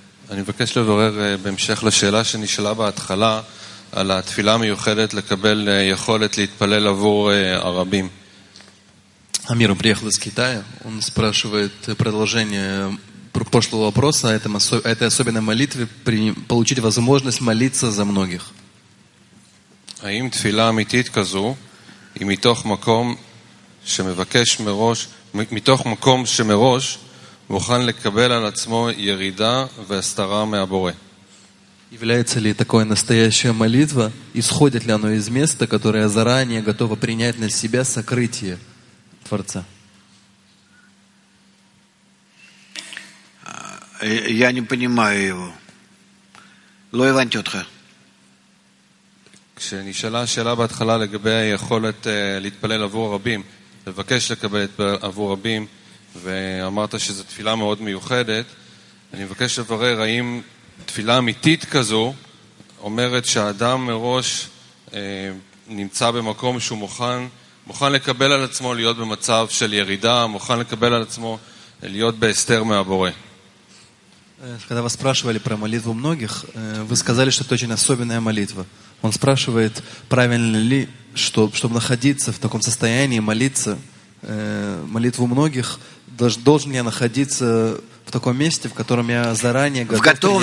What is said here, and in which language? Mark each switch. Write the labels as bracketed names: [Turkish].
[Hebrew] אני מבקש לברר בהמשך לשאלה שנשאלה בהתחלה על התפילה המיוחדת לקבל יכולת להתפלל עבור הרבים. [Russian] Амир приехал из Китая. Он спрашивает продолжение прошлого вопроса о этой особенной молитве, получить возможность молиться за многих. [Hebrew] האם תפילה אמיתית כזו היא מתוך מקום שמבקש מראש, מתוך מקום שמראש מוכן לקבל על עצמו ירידה והסתרה מהבורא? [Russian] Является ли такое настоящая молитва? Исходит ли оно из места, которое заранее готово принять на себя сокрытие Творца? Я не понимаю его. [Hebrew] Ло Ивантютха. כשנשאלה השאלה בהתחלה לגבי היכולת להתפלל עבור רבים, לבקש לקבל עבור רבים, ואמרת שזו תפילה מאוד מיוחדת, אני מבקש לברר האם תפילה אמיתית כזו אומרת שהאדם מראש נמצא במקום שהוא מוכן לקבל על עצמו להיות במצב של ירידה, מוכן לקבל על עצמו להיות בהסתר מהבורא. [Russian] Когда вас спрашивали про молитву многих, вы сказали, что это очень особенная молитва. Он спрашивает, правильно ли, чтобы находиться в таком состоянии, молиться, молитву многих, должен я находиться в таком месте, в котором я заранее готов